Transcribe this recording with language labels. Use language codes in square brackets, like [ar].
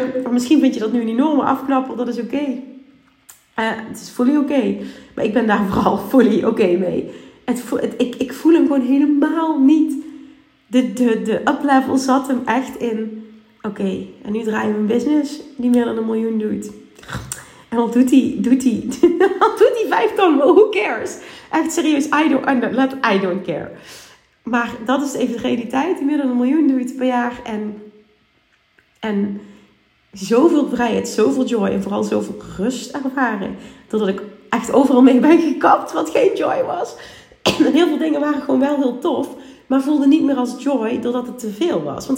[nl] Misschien vind je dat nu een enorme afknapper. Dat is oké. Het is fully oké. Maar ik ben daar vooral fully oké mee. Ik voel hem gewoon helemaal niet. De uplevel zat hem echt in. Oké, en nu draai je een business die meer dan 1 miljoen doet. En wat doet hij? Wat doet hij 5 ton? [en] Well, who cares? [nl] Echt serieus, [en] I don't care. [nl] Maar dat is even de realiteit. Die meer dan 1 miljoen doet per jaar. En zoveel vrijheid, zoveel joy en vooral zoveel rust ervaren. Doordat ik echt overal mee ben gekapt wat geen joy was. En heel veel dingen waren gewoon wel heel tof. Maar voelde niet meer als joy doordat het te veel was.